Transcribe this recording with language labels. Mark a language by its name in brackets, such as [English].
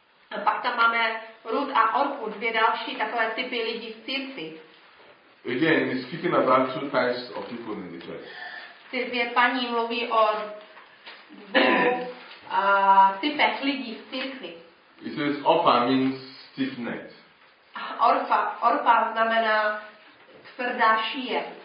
[Czech] A pak tam máme Ruth a Orpu, dvě další takové typy lidí v církvi. [English] Again, he's speaking about two types of people in the church. [Czech] Ty dvě paní mluví o dvou typech lidí v církvi. [English] It says Orpha means stiff-necked. [Czech] Orpha znamená tvrdá šíje.